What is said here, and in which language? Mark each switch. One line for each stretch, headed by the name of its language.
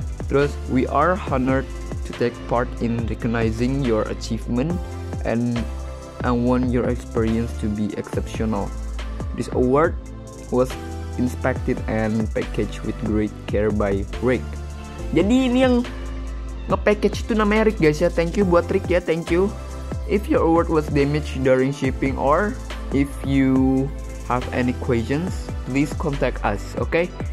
English: Terus we are honored to take part in recognizing your achievement and I want your experience to be exceptional. This award was inspected and packaged with great care by Rick.
Indonesian: Jadi ini yang nge-package itu namanya Rick guys ya.
English: Thank you buat Rick ya, thank you. If your award was damaged during shipping or if you have any questions, please contact us, okay?